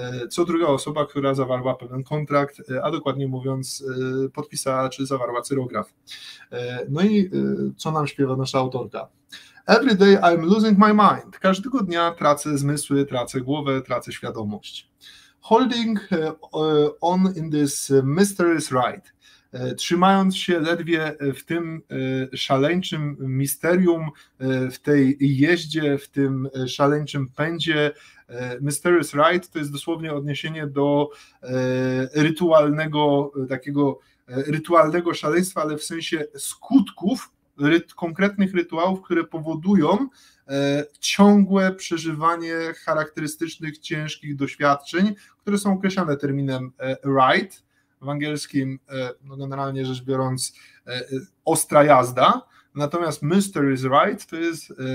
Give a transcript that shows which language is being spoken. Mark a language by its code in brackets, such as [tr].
[pl] co druga osoba, która zawarła pewien kontrakt, a dokładnie mówiąc podpisała czy zawarła cyrograf. No i co nam śpiewa nasza autorka? [en] Every day I'm losing my mind. [pl] Każdego dnia tracę zmysły, tracę głowę, tracę świadomość. [en] Holding on in this mysterious ride. [pl] Trzymając się ledwie w tym szaleńczym misterium, w tej jeździe, w tym szaleńczym pędzie. Mysterious ride to jest dosłownie odniesienie do rytualnego, takiego rytualnego szaleństwa, ale w sensie skutków, konkretnych rytuałów, które powodują ciągłe przeżywanie charakterystycznych, ciężkich doświadczeń, które są określane terminem ride, w angielskim no generalnie rzecz biorąc ostra jazda, natomiast mysterious ride to jest